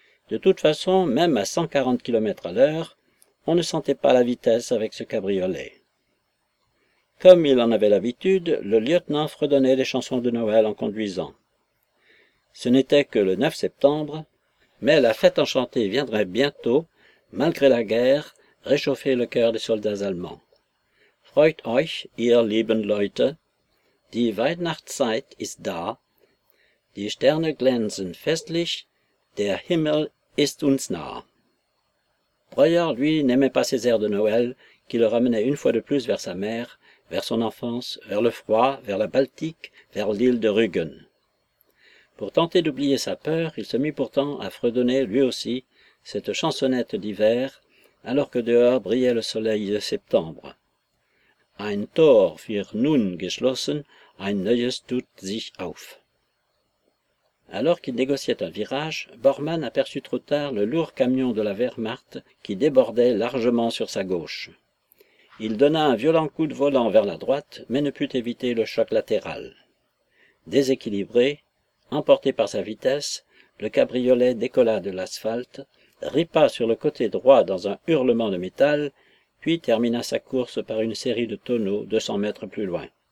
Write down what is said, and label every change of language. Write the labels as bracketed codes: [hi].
[fr] De toute façon, même à 140 km à l'heure, on ne sentait pas la vitesse avec ce cabriolet. Comme il en avait l'habitude, le lieutenant fredonnait des chansons de Noël en conduisant. Ce n'était que le 9 septembre, mais la fête enchantée viendrait bientôt, malgré la guerre, réchauffer le cœur des soldats allemands. [de] Freut euch, ihr lieben Leute, die Weihnachtszeit ist da, die Sterne glänzen festlich, der Himmel ist uns nah. [fr] Breuer, lui, n'aimait pas ces airs de Noël qui le ramenaient une fois de plus vers sa mère, vers son enfance, vers le froid, vers la Baltique, vers l'île de Rügen. Pour tenter d'oublier sa peur, il se mit pourtant à fredonner, lui aussi, cette chansonnette d'hiver, alors que dehors brillait le soleil de septembre. [de] Ein Tor wird nun geschlossen, ein neues tut sich auf. [fr] Alors qu'il négociait un virage, Bormann aperçut trop tard le lourd camion de la Wehrmacht qui débordait largement sur sa gauche. Il donna un violent coup de volant vers la droite, mais ne put éviter le choc latéral. Déséquilibré, emporté par sa vitesse, le cabriolet décolla de l'asphalte, ripa sur le côté droit dans un hurlement de métal, puis termina sa course par une série de tonneaux 200 mètres plus loin.